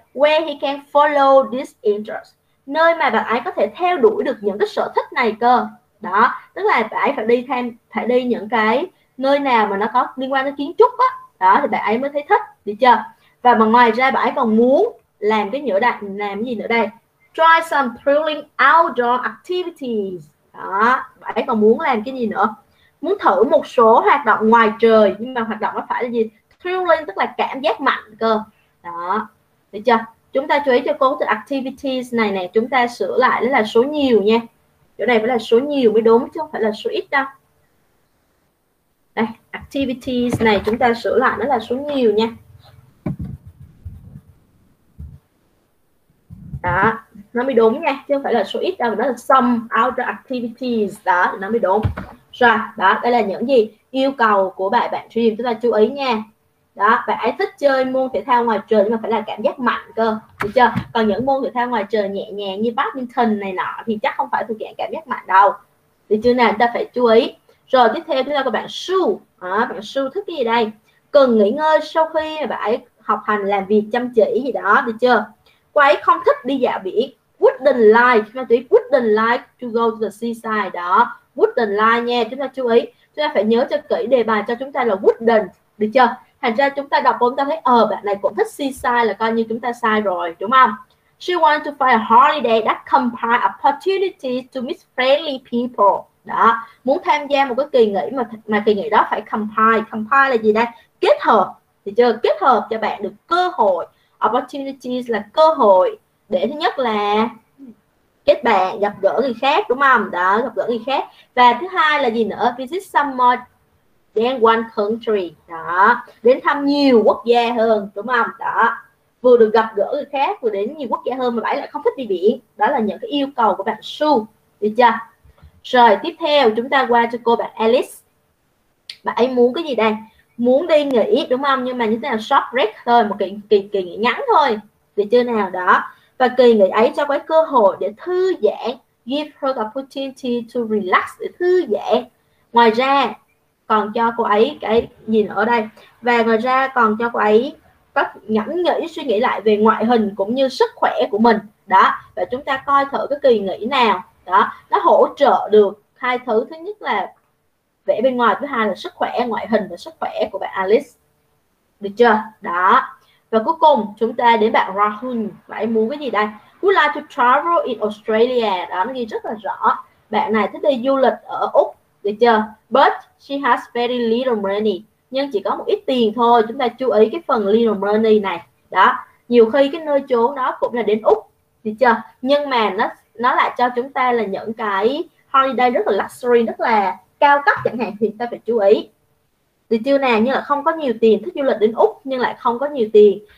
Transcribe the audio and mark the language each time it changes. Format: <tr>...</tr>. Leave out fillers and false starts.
<en>Where he can follow this interest,</en> <vi>nơi mà bạn ấy có thể theo đuổi được những cái sở thích này cơ. Đó, tức là bạn ấy phải đi thêm, phải đi những cái nơi nào mà nó có liên quan đến kiến trúc á, đó, thì bạn ấy mới thấy thích, được chưa? Và mà ngoài ra bạn ấy còn muốn làm cái nhựa đạn, làm cái gì nữa đây?</vi> <en>Try some thrilling outdoor activities.</en> <vi>Đó, bạn ấy còn muốn làm cái gì nữa? Muốn thử một số hoạt động ngoài trời, nhưng mà hoạt động nó phải là gì? Thrilling tức là cảm giác mạnh cơ. Đó, được chưa? Chúng ta chú ý cho cô từ activities này nè, chúng ta sửa lại là số nhiều nha. Chỗ này phải là số nhiều mới đúng chứ không phải là số ít đâu. Đây, activities này chúng ta sửa lại nó là số nhiều nha. Đó, nó mới đúng nha, chứ không phải là số ít đâu, nó là</vi> <en>some outdoor activities,</en> <vi>đó, nó mới đúng. Rồi, đó, đây là những gì yêu cầu của bạn bạn stream, chúng ta chú ý nha. Đó, bạn ấy thích chơi môn thể thao ngoài trời nhưng mà phải là cảm giác mạnh cơ, được chưa? Còn những môn thể thao ngoài trời nhẹ nhàng như badminton này nọ thì chắc không phải thuộc dạng cảm giác mạnh đâu. Được chưa nào, chúng ta phải chú ý. Rồi tiếp theo chúng ta có bạn Su. À, bạn Su thích cái gì đây? Cần nghỉ ngơi sau khi bạn ấy học hành, làm việc chăm chỉ gì đó, được chưa? Cô ấy không thích đi dạo biển.</vi> <en>Wouldn't like,</en> <vi>chúng ta chú ý,</vi> <en>wouldn't like to go to the seaside, đó. Wouldn't like</en> <vi>nha, chúng ta chú ý. Chúng ta phải nhớ cho kỹ đề bài cho chúng ta là wouldn't, được chưa? Thành ra chúng ta đọc chúng ta thấy bạn này cũng thích seaside là coi như chúng ta sai rồi, đúng không?</vi> <en>She wants to find a holiday that combines opportunities to meet friendly people.</en> <vi>Đó, muốn tham gia một cái kỳ nghỉ mà kỳ nghỉ đó phải combine. Combine là gì đây? Kết hợp, thì chưa, kết hợp cho bạn được cơ hội, opportunities là cơ hội để thứ nhất là kết bạn, gặp gỡ người khác, đúng không? Đó, gặp gỡ người khác. Và thứ hai là gì nữa?</vi> <en>Visit someone than one country.</en> <vi>Đó, đến thăm nhiều quốc gia hơn, đúng không? Đó, vừa được gặp gỡ người khác, vừa đến nhiều quốc gia hơn mà bạn lại không thích đi biển. Đó là những cái yêu cầu của bạn Su, được chưa? Rồi, tiếp theo chúng ta qua cho cô bạn Alice. Bạn ấy muốn cái gì đây? Muốn đi nghỉ, đúng không? Nhưng mà như thế nào?</vi> <en>Short break</en> <vi>thôi, một kỳ nghỉ ngắn thôi, được chưa nào? Đó, và kỳ nghỉ ấy cho cái cơ hội để thư giãn,</vi> <en>give her the opportunity to relax,</en> <vi>để thư giãn. Ngoài ra còn cho cô ấy cái nhìn ở đây, và ngoài ra còn cho cô ấy các nhẫn nghĩ, suy nghĩ lại về ngoại hình cũng như sức khỏe của mình. Đó, và chúng ta coi thử cái kỳ nghỉ nào đó nó hỗ trợ được hai thứ, thứ nhất là vẻ bên ngoài, thứ hai là sức khỏe, ngoại hình và sức khỏe của bạn Alice, được chưa? Đó. Và cuối cùng chúng ta đến bạn Rahul. Bạn muốn cái gì đây?</vi> <en>Would like to travel in Australia.</en> <vi>Đó, nó ghi rất là rõ. Bạn này thích đi du lịch ở Úc, được chưa?</vi> <en>But she has very little money.</en> <vi>Nhưng chỉ có một ít tiền thôi. Chúng ta chú ý cái phần</vi> <en>little money</en> <vi>này. Đó, nhiều khi cái nơi chốn đó cũng là đến Úc, được chưa? Nhưng mà nó lại cho chúng ta là những cái holiday rất là luxury, rất là cao cấp chẳng hạn, thì ta phải chú ý. Thì chưa nào, như là không có nhiều tiền, thích du lịch đến Úc nhưng lại không có nhiều tiền.</vi>